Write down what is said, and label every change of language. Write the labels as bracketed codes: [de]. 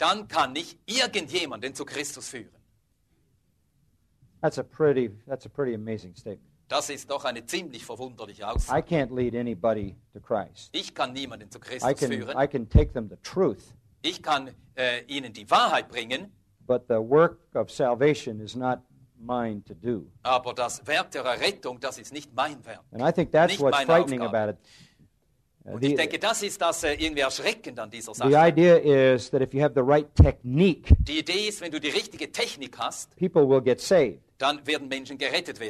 [de] Dann kann ich irgendjemanden zu Christus führen. [en] That's a pretty amazing statement. [de] Das ist doch eine ziemlich verwunderliche Aussage. [en] I can't lead anybody to Christ. [de] Ich kann niemanden zu Christus führen. [en] I can take them the truth. [de] Ich kann ihnen die Wahrheit bringen. [en] But the work of salvation is not mine to do. [de] Aber das Werk der Errettung, das ist nicht mein Werk. [en] And I think that's what's frightening about it. [de] Und ich denke, das ist das irgendwie erschreckend an dieser Sache. [en] The idea is that if you have the right technique, [de] die Idee ist, wenn du die richtige Technik hast, [en] people will get saved. [de] Dann werden Menschen gerettet werden.